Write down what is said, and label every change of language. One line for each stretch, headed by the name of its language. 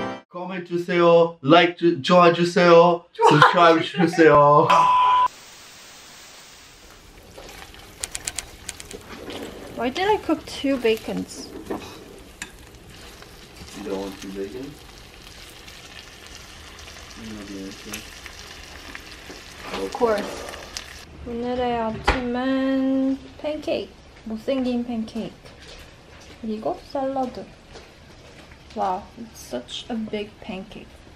Korean: Comment 주세요, like 좋아 주세요, subscribe 주세요.
English: Why did I cook two bacons? You don't want two bacons? I know the answer. Of course.
Korean: 오늘의 아침은 팬케이크. 못생긴 팬케이크. 그리고 샐러드.
English: Wow, it's such a big pancake.